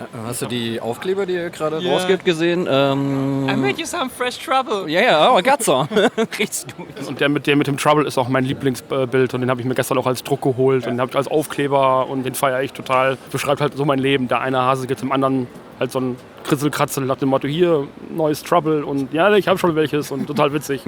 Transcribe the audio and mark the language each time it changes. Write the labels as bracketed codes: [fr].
[de] Hast du die Aufkleber, die ihr gerade rausgibt, gesehen? [en] I made you some fresh trouble. Yeah, I got some. [de] Und der mit dem Trouble ist auch mein Lieblingsbild und den habe ich mir gestern auch als Druck geholt und den habe ich als Aufkleber und den feiere ich total. Beschreibt halt so mein Leben. Der eine Hase geht zum anderen halt so ein Kritzelkratzel nach dem Motto, hier, neues Trouble und ja, ich habe schon welches und total witzig.